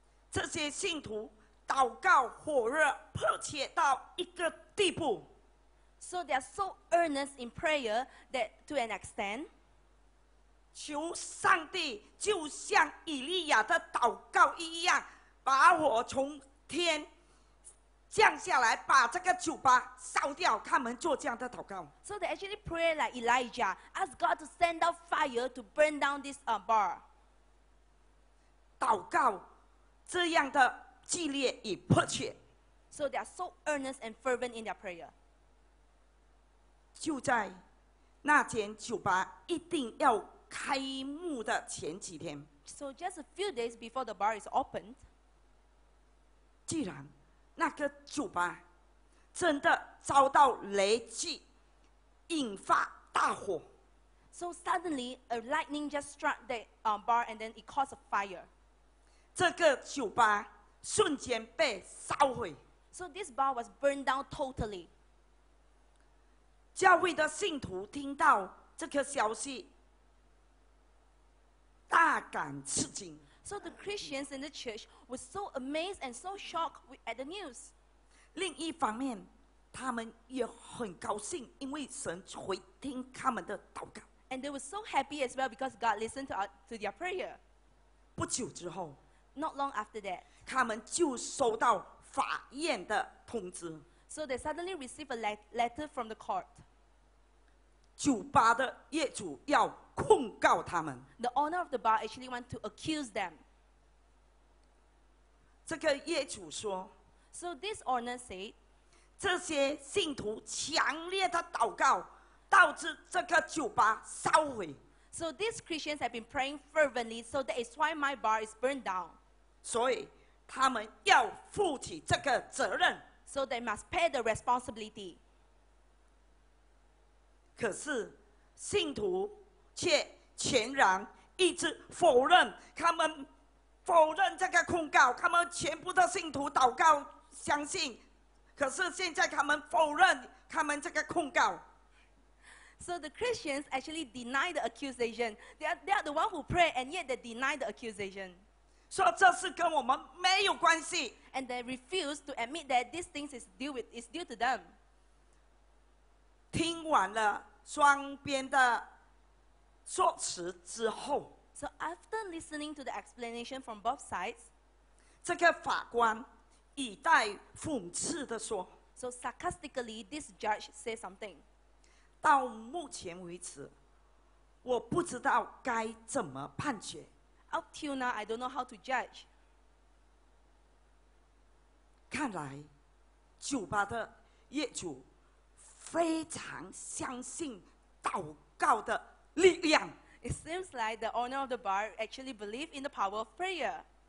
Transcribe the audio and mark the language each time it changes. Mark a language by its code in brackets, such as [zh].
[zh] 这些信徒祷告火热，迫切到一个地步。 [en] So they are so earnest in prayer that to an extent, [zh] 求上帝就像以利亚的祷告一样，把火从天降下来，把这个酒吧烧掉。他们做这样的祷告。 [en] So they actually pray like Elijah, ask God to send out fire to burn down this bar. [zh] 祷告这样的激烈与迫切。 [en] So they are so earnest and fervent in their prayer. [zh] 就在那间酒吧一定要开幕的前几天。 [en] So just a few days before the bar is opened. [zh] 既然那个酒吧真的遭到雷击，引发大火。 [en] So suddenly a lightning just struck the bar and then it caused a fire. [zh] 这个酒吧瞬间被烧毁。 [en] So this bar was burned down totally. [zh] 教会的信徒听到这个消息大感吃惊。 [en] So the Christians in the church were so amazed and so shocked at the news. [zh] 另一方面，他们也很高兴，因为神回听他们的祷告。 [en] And they were so happy as well because God listened to their prayer. [zh] 不久之后 [en] Not long after that, [zh] 他们就收到法院的通知。 [en] So they suddenly received a letter from the court. [zh] 酒吧的业主要控告他们。 [en] The owner of the bar actually want to accuse them. [zh] 这个业主说 [en] So this owner said, [zh] 这些信徒强烈的祷告导致这个酒吧烧毁。 [en] So these Christians have been praying fervently, so that is why my bar is burned down. [zh] 所以他们要负起这个责任。 [en] So they must pay the responsibility. [zh] 可是信徒却全然一直否认，他们否认这个控告，他们全部的信徒祷告相信，可是现在他们否认他们这个控告。 [en] So the Christians actually deny the accusation. They are the one who pray, and yet they deny the accusation. [zh] 说这是跟我们没有关系。 [en] And they refuse to admit that these things is due to them. [zh] 听完了双边的说辞之后 [en] ，So after listening to the explanation from both sides, [zh] 这个法官语带讽刺的说 [en] ，So sarcastically, this judge says something. [zh] 到目前为止，我不知道该怎么判决。 [en] Up till now, I don't know how to judge. [zh] 看来，酒吧的业主非常相信祷告的力量。 [en] It seems like the owner of the bar actually believes in the power of prayer.